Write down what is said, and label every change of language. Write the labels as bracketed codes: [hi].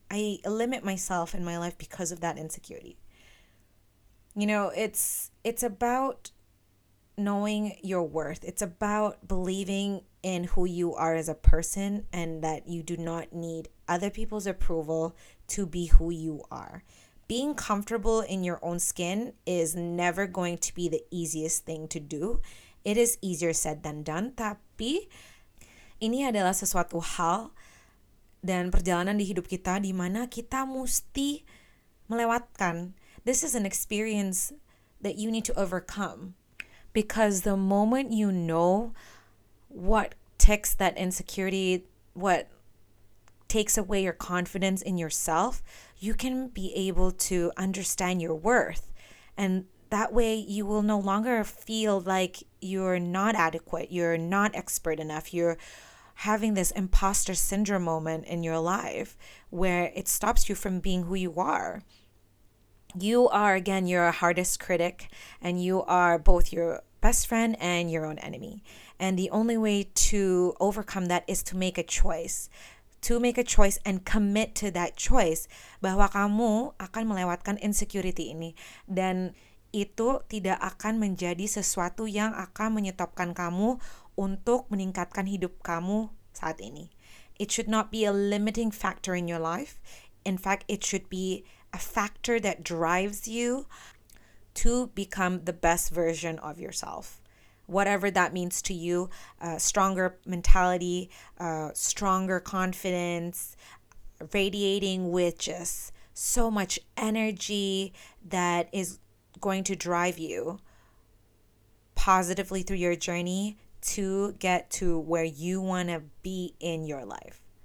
[en] I limit myself in my life because of that insecurity. You know, it's about knowing your worth. It's about believing in who you are as a person, and that you do not need other people's approval to be who you are. Being comfortable in your own skin is never going to be the easiest thing to do. It is easier said than done, [id] tapi ini adalah sesuatu hal dan perjalanan di hidup kita di mana kita mesti melewatkan. [en] This is an experience that you need to overcome, because the moment you know what takes that insecurity, what takes away your confidence in yourself, you can be able to understand your worth. And that way you will no longer feel like you're not adequate, you're not expert enough, you're having this imposter syndrome moment in your life where it stops you from being who you are. You are, again, your hardest critic, and you are both your best friend and your own enemy. And the only way to overcome that is to make a choice. To make a choice and commit to that choice, [id] bahwa kamu akan melewatkan insecurity ini, dan itu tidak akan menjadi sesuatu yang akan menyetopkan kamu untuk meningkatkan hidup kamu saat ini. [en] It should not be a limiting factor in your life. In fact, it should be a factor that drives you to become the best version of yourself. Whatever that means to you, stronger mentality, stronger confidence, radiating with just so much energy that is going to drive you positively through your journey to get to where you want to be in your life.